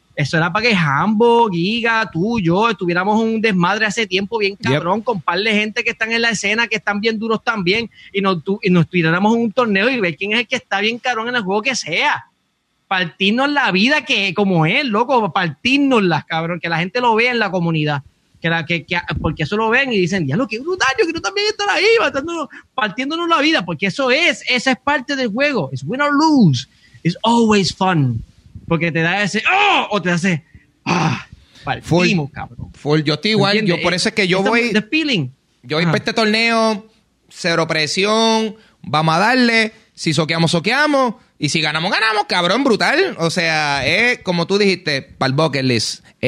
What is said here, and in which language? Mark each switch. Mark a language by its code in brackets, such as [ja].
[es] Eso era para que Jambo, Giga, tú, yo, estuviéramos un desmadre hace tiempo bien cabrón, con un par de gente que están en la escena, que están bien duros también, y nos tiráramos un torneo y ver quién es el que está bien cabrón en el juego que sea. Partirnos la vida que como es, loco, partirnoslas, cabrón, que la gente lo vea en la comunidad. Porque eso lo ven y dicen, diablo, qué brutal, yo quiero también estar ahí, partiéndonos la vida, porque esa es parte del juego. [en] It's win or lose, it's always fun. [es] Porque te da ese ¡oh! O te hace ¡ah! Partimos, cabrón. Full. Yo estoy igual. ¿Entiendes? Yo por eso es que yo voy... [en] The feeling. [es] Yo voy para este torneo, cero presión, vamos a darle, si soqueamos, soqueamos, y si ganamos, ganamos, cabrón, brutal. O sea, es como tú dijiste, para el bucket list.